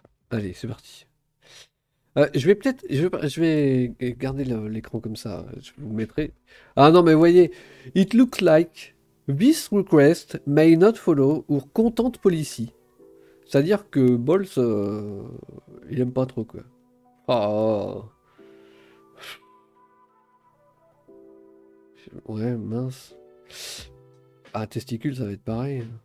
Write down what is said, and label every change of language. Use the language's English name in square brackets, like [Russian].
[French] Allez, c'est parti. Je vais garder l'écran comme ça. Je vous mettrai. Ah non, mais voyez. [English] It looks like this request may not follow our content policy. [French] C'est-à-dire que Balls, il aime pas trop, quoi. Ah. Oh. Ouais, mince. Ah, testicule, ça va être pareil.